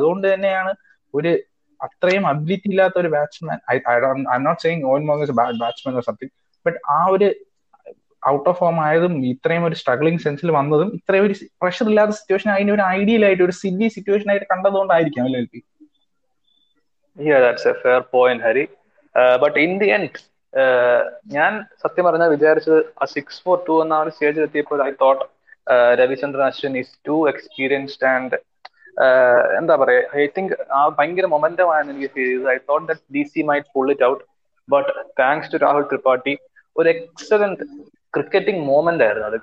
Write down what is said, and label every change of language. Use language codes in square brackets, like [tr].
[ml] അതുകൊണ്ട് തന്നെയാണ് ഒരു അത്രയും അബിലിറ്റി ഇല്ലാത്ത ഒരു batsman, [en] I not saying Eoin Morgan is a bad batsman or something, [ml] but ആ ഒരു ഔട്ട് ഓഫ് ഫോം ആയതും ഇത്രയും ഒരു സ്ട്രഗ്ലിംഗ് സെൻസിൽ വന്നതും ഇത്രയും ഒരു പ്രഷർ ഇല്ലാത്ത സിറ്റുവേഷൻ അതിന്റെ ഒരു ഐഡിയൽ ആയിട്ട് ഒരു സില്ലി സിറ്റുവേഷൻ ആയിട്ട് കണ്ടതുകൊണ്ടായിരിക്കാം അല്ലേ LP? [en] Yeah, that's a fair point, Hari. But in the end, [ml] ഞാൻ സത്യം പറഞ്ഞാൽ വിചാരിച്ചത് ആ 6-4-2 എന്ന ഒരു സ്റ്റേജിൽ എത്തിയപ്പോൾ [en] I thought Ravichandran Ashwin is too experienced [ml] and എന്താ പറയാ, ഐ തിങ്ക് ആ ഭയങ്കര മൊമെന്റം ആണ് എനിക്ക് ഫീൽ ചെയ്തത്. [en] I thought that D C might pull it out, but thanks to Rahul Tripathi ഒരു excellent cricketing moment [ml] ആയിരുന്നു അത്.